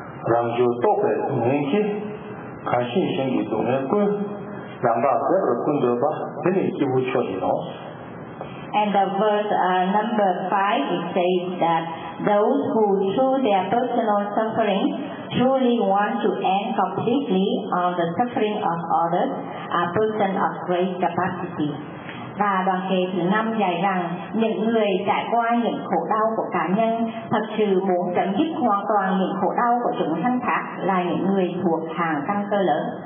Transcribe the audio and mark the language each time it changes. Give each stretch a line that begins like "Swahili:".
English: Đó là mà đi đó, mà tôi xem mà đi. Nào cùng mà bạn, mà bạn. Đi xuống đây. Rằng And the verse number 5, it says that those who through their personal suffering truly want to end completely on the suffering of others are persons of great capacity.
Vietnamese: Và đoàn kệ thứ 5 dạy rằng những người trải qua những khổ đau của cá nhân thật sự muốn chấm dứt hoàn toàn những khổ đau của chúng sanh khác là những người thuộc hàng căn cơ lớn.